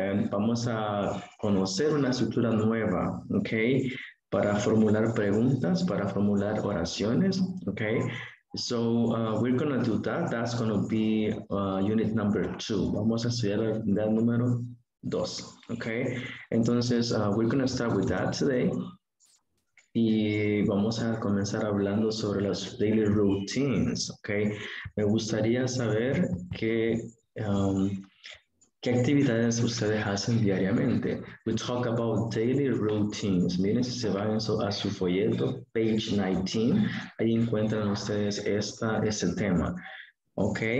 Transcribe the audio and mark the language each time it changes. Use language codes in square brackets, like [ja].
[es] Vamos a conocer una estructura nueva, ¿ok? Para formular preguntas, para formular oraciones, ¿ok? [en] So we're going to do that. That's going to be unit number two. [es] Vamos a estudiar la unidad número dos, ¿ok? [en] Entonces, we're going to start with that today. [es] Y vamos a comenzar hablando sobre las daily routines, ¿ok? Me gustaría saber qué actividades ustedes hacen diariamente. [en] We talk about daily routines. [es] Miren, si se van a su folleto, page 19, ahí encuentran ustedes este tema, ¿ok?